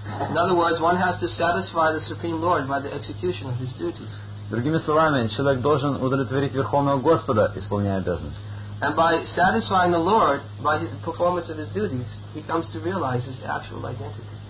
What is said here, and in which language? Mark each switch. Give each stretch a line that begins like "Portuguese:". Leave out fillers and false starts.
English: In other words, one has to satisfy the Supreme Lord by the execution of his duties.
Russian: Другими словами, человек должен удовлетворить Верховного Господа, исполняя обязанности.
English: And by satisfying the Lord by the performance of his duties, he comes to realize his actual identity.